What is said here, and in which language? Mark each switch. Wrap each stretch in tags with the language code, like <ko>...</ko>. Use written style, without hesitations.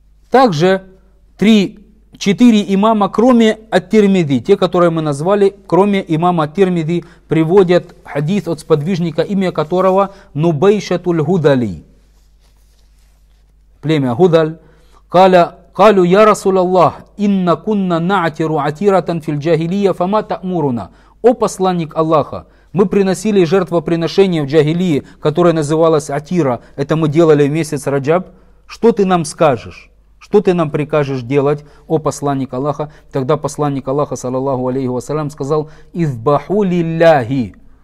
<ru>Также четыре имама, кроме Ат-Тирмизи, те, которые мы назвали, кроме имама Ат-Тирмизи, приводят хадис от сподвижника, имя которого Нубайшатуль Гудали, племя Гудаль.</ru> <ar>قالوا يا رسول الله إن كنا نعتر عتيرة في الجاهلية فما تأمرنا.</ar> <ru>О посланник Аллаха, мы приносили жертвоприношение в джахилии, которое называлось атира, это мы делали месяц Раджаб. Что ты нам скажешь? Что ты нам прикажешь делать, о посланник Аллаха? Тогда посланник Аллаха, саллаллаху алейхи вассалям, сказал:</ru> <ar>«Ивбаху лилляхи».</ar>